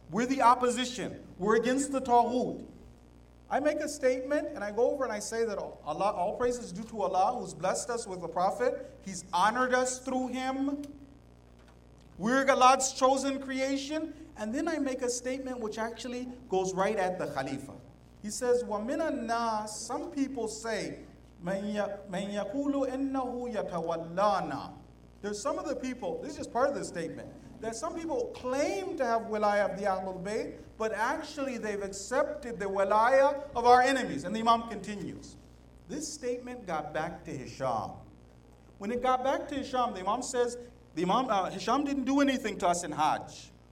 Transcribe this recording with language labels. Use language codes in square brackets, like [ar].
[en] We're the opposition. We're against the Tawhut. I make a statement and I go over and I say that Allah, all praise is due to Allah who's blessed us with the Prophet. He's honored us through him. We're God's chosen creation. And then I make a statement which actually goes right at the Khalifa. He says, [ar] وَمِنَ النَّاسِ [en] some people say, [ar] مَنْ يَقُولُ إِنَّهُ يَتَوَلَّانَا. [en] There's some of the people, this is just part of the statement, that some people claim to have wilayah of the Ahlul Bayt, but actually they've accepted the wilayah of our enemies. And the imam continues. This statement got back to Hisham. When it got back to Hisham, the imam says, Hisham didn't do anything to us in Hajj.